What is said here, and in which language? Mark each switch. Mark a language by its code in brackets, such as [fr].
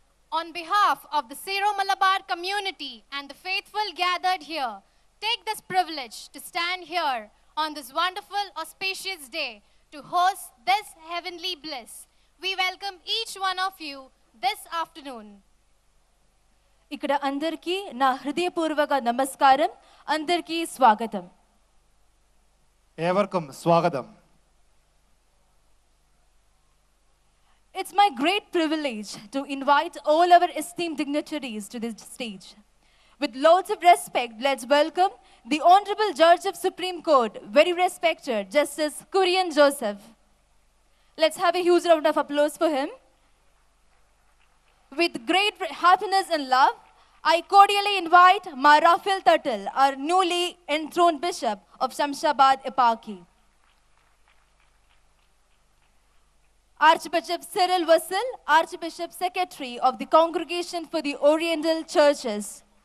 [en] On behalf of the Syro-Malabar community and the faithful gathered here, take this privilege to stand here on this wonderful, auspicious day to host this heavenly bliss. We welcome each one of you this afternoon. [te] ఇక్కడ అందరికీ నా హృదయపూర్వక నమస్కారం. అందరికీ స్వాగతం. ఎవర్కం స్వాగతం. [en] It's my great privilege to invite all our esteemed dignitaries to this stage. With loads of respect, let's welcome the honourable judge of Supreme Court, very respected Justice Kurian Joseph. Let's have a huge round of applause for him. With great happiness and love, I cordially invite Ma Rafael Tuttle, our newly enthroned bishop of Shamshabad Eparchy. Archbishop Cyril Vassil, Archbishop Secretary of the Congregation for the Oriental Churches.